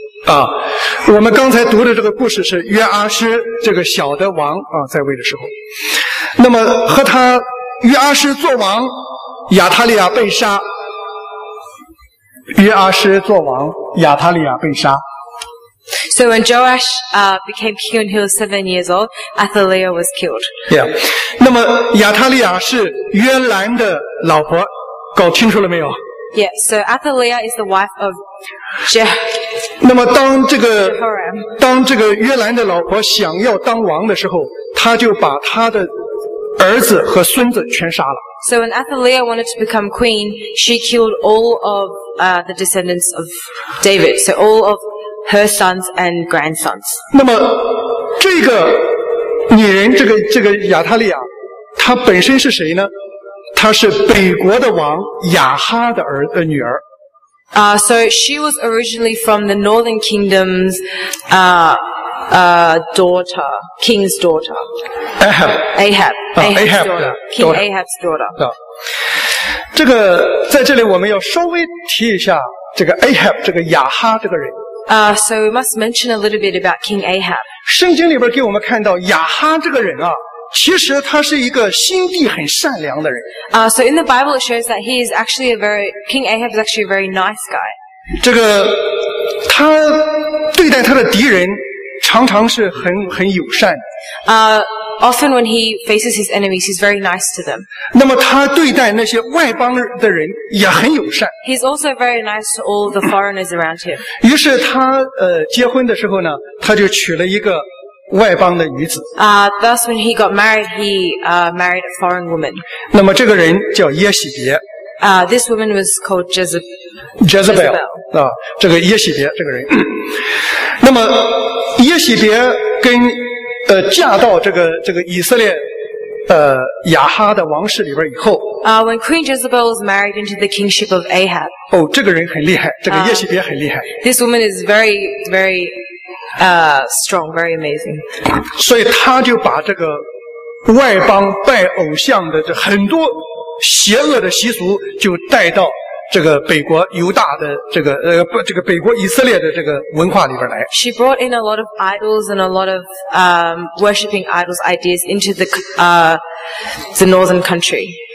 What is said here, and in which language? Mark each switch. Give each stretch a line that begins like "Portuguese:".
Chinese: 啊，我们刚才读的这个故事是约阿诗这个小的王啊在位的时候。那么和他约阿诗做王，亚他利亚被杀。约阿诗做王，亚他利亚被杀。
English: So when Joash became king when he was 7 years old, Athaliah was killed. Yeah.
Chinese: 那么亚他利亚是约兰的老婆，搞清楚了没有？
English: Yeah. So Athaliah is the wife of Jehoram.
Chinese: 那么当这个约兰的老婆想要当王的时候，他就把他的儿子和孙子全杀了。
English: So when Athaliah wanted to become queen, she killed all of the descendants of David. So all of her sons and grandsons.
Chinese: 那么这个女人，这个亚他利亚，她本身是谁呢？她是北国的王亚哈的女儿。
English: So she was originally from the northern kingdom's daughter, king's daughter. Ahab's daughter. King Ahab's daughter.
Chinese: 这个在这里我们要稍微提一下这个 Ahab 这个亚哈这个人。
English: So we must mention a little bit about King Ahab.
Chinese: 圣经里边给我们看到亚哈这个人啊，其实他是一个心地很善良的人。
English: So in the Bible it shows that he is actually a very, King Ahab is actually a very nice guy.
Chinese: 这个他对待他的敌人常常是很友善。
English: Often when he faces his enemies, he's very nice to them.
Chinese: 那么他对待那些外邦的人也很友善。
English: He's also very nice to all the foreigners around him.
Chinese: 于是他结婚的时候呢，他就娶了一个外邦的女子。
English: Thus when he got married, he married a foreign woman.
Chinese: 那么这个人叫耶洗别。
English: This woman was called
Chinese: Jezebel. 这个耶洗别这个人。那么耶洗别跟嫁到这个以色列亚哈的王室里边以后。
English: When Queen Jezebel was married into the kingship of Ahab.
Chinese: 哦，这个人很厉害，这个耶洗别很厉害。
English: This woman is very, very, strong, very amazing.
Chinese: 所以他就把这个外邦拜偶像的这很多邪恶的习俗就带到这个北国犹大的这个北国以色列的这个文化里边来。
English: She brought in a lot of idols and a lot of worshipping idols ideas into the northern country.